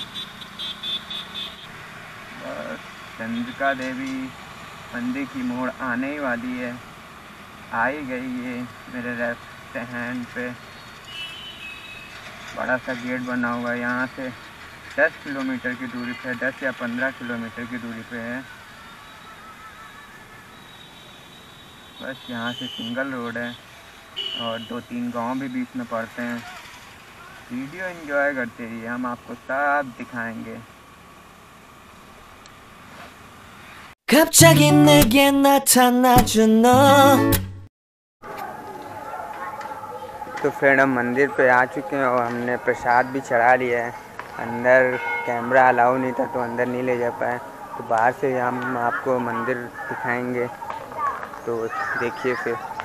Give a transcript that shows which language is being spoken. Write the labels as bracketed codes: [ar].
[hi] बस चंद्रिका देवी मंदिर की मोड़ आने ही वाली है, आ ही गई ये मेरे लेफ्ट हैंड पे, बड़ा सा गेट बना हुआ है, यहाँ से 10 किलोमीटर की दूरी पे, 10 या 15 किलोमीटर की दूरी पे है। बस यहाँ से सिंगल रोड है और 2-3 गांव भी बीच में पड़ते हैं। वीडियो एंजॉय करते रहिए, हम आपको सब दिखाएंगे। [ko] 갑자기 내게 나타나죠 너. [hi] तो फ्रेंड हम मंदिर पे आ चुके हैं और हमने प्रसाद भी चढ़ा लिया है, अंदर कैमरा अलाउ नहीं था तो अंदर नहीं ले जा पाए, तो बाहर से हम आपको मंदिर दिखाएंगे, तो देखिए फिर।